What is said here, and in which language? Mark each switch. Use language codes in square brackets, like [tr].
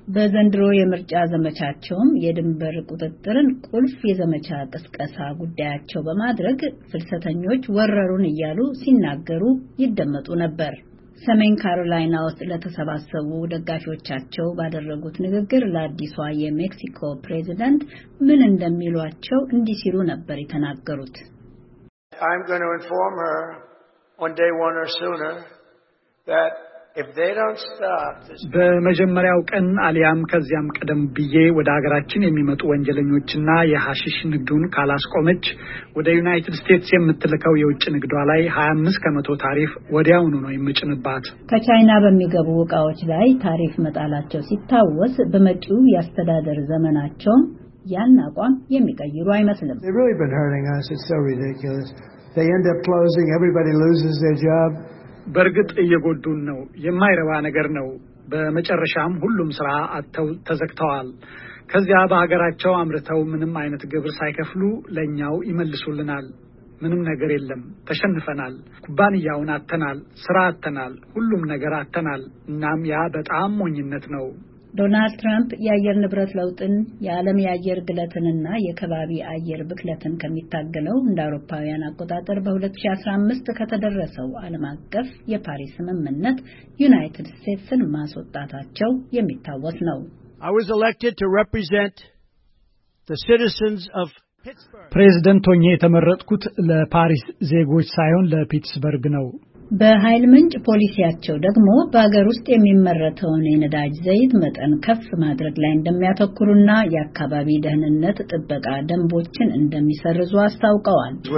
[am] በዘንድሮ የምርጫ ዘመቻቸውም የድንበር ቁጥጥርን ቁልፍ የዘመቻ ቅስቀሳ ጉዳያቸው በማድረግ ፍልሰተኞች ወረሩን እያሉ ሲናገሩ ይደመጡ ነበር። ሰሜን ካሮላይና ውስጥ ለተሰባሰቡ ደጋፊዎቻቸው ባደረጉት ንግግር ለአዲሷ የሜክሲኮ ፕሬዝዳንት ምን እንደሚሏቸው እንዲህ ሲሉ ነበር የተናገሩት። [en] I'm going to inform her on day one or sooner that if they don't stop [am] በመጀመሪያው ቀን አሊያም ከዚያም ቀደም ብዬ ወደ ሀገራችን የሚመጡ ወንጀለኞችና የሐሺሽ ንግዱን ካላስቆመች ወደ ዩናይትድ ስቴትስ የምትልከው የውጭ ንግዷ ላይ 25% ታሪፍ ወዲያውኑ ነው የምጭንባት። ከቻይና በሚገቡ ዕቃዎች ላይ ታሪፍ መጣላቸው ሲታወስ በመጪው ያስተዳደር ዘመናቸው ያን አቋም የሚቀይሩ አይመስልም። [en] They've really been hurting us. It's so ridiculous. They end up closing, everybody loses their job. [am] በርግጥ እየጎዱን ነው። የማይረባ ነገር ነው። በመጨረሻም ሁሉም ስራ አጥተው ተዘክተዋል። ከዚያ በአገራቸው አመረተው ምንም አይነት ግብር ሳይከፍሉ ለኛው ይመልሱልናል። ምንም ነገር የለም። ተሸንፈናል። ኩባንያውን አጥተናል። ስራ አጥተናል። ሁሉም ነገር አጥተናል። እናም ያ በጣም ሞኝነት ነው። ዶናልድ ትራምፕ የአየር ንብረት ለውጥን የዓለም የአየር ግለትንና የከባቢ አየር ብክለትን ከመታገለው እንደ አውሮፓውያን አቆጣጠር በ2015 ከተደረሰው ዓለም አቀፍ የፓሪስ ስምምነት ዩናይትድ ስቴትስን ማስወጣታቸው የሚታወስ ነው። [en] I was elected to represent the citizens of Pittsburgh. [am] ፕሬዝዳንት ሆኜ የተመረጥኩት ለፓሪስ ዜጎች ሳይሆን ለፒትስበርግ ነው። በኃይል ምንጭ ፖሊሲያቸው ደግሞ በአገር ውስጥ የሚመረተውን የነዳጅ ዘይት መጠን ከፍ ማድረግ ላይ እንደሚያተኩሩና የአካባቢ ደህንነት ጥበቃ ደንቦችን እንደሚሰርዙ አስታውቀዋል።